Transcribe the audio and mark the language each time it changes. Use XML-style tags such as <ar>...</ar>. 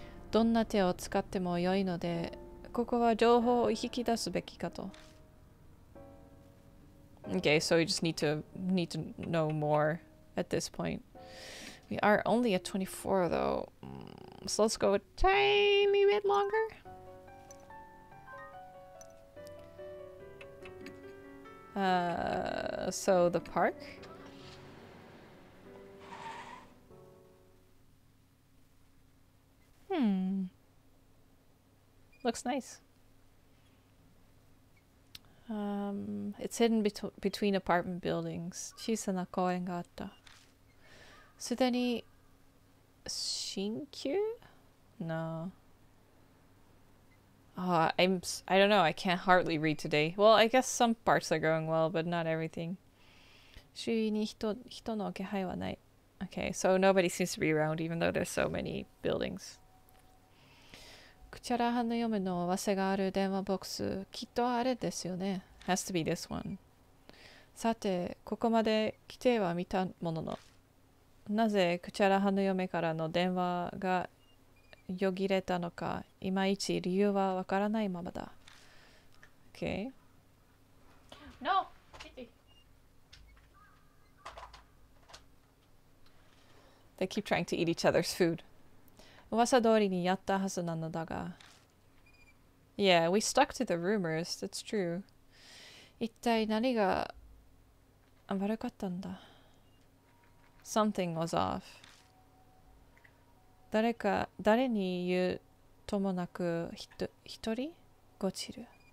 <ja>どんな手を使っても良いので、ここは情報を引き出すべきかと。</ja> <en>Okay, so we just need to know more at this point. We are only at 24 though, so let's go a tiny bit longer. So the park? Looks nice. It's hidden between apartment buildings.</en> <ja>小さな公園があった。すでに新旧 ？</ja> <en>No. I don't know. I can't hardly read today. Well, I guess some parts are going well, but not everything.</en> <ja>周囲に人の気配はない。</ja> <en>Okay, so nobody seems to be around, even though there's so many buildings.</en> <ja>クチャラハの嫁の忘れがある電話ボックス、きっとあれですよね。</ja> <en>Has to be this one.</en> <ja>さて、ここまで来ては見たものの、なぜクチャラハの嫁からの電話がよぎれたのか、いまいち理由はわからないままだ。</ja> <en>Okay. No! They keep trying to eat each other's food.</en> <ja>噂通りにやったはずなのだが。</ja> <en>Yeah, we stuck to the rumors, that's true.</en> <ja>一体何が悪かったんだ。</ja> <en>Something was off.</en> <ja>誰か誰に言うともなく一人ごちる。</ja>